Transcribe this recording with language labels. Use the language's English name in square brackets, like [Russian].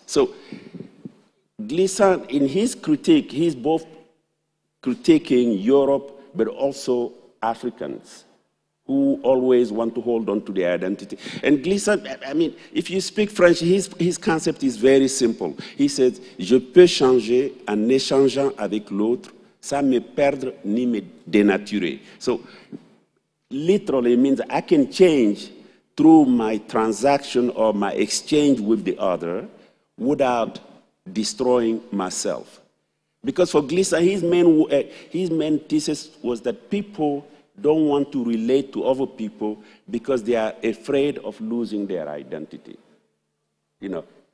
[English] So Glissant, in his critique, he's both critiquing Europe, but also Africans who always want to hold on to their identity. And Glissant, I mean, if you speak French, his concept is very simple. He says, [French] je peux changer en échangeant avec l'autre, sans me perdre ni me dénaturer. [English] So literally means I can change through my transaction or my exchange with the other without destroying myself. Because for Glissant, his main thesis was that people don't want to relate to other people because they are afraid of losing their identity, you know.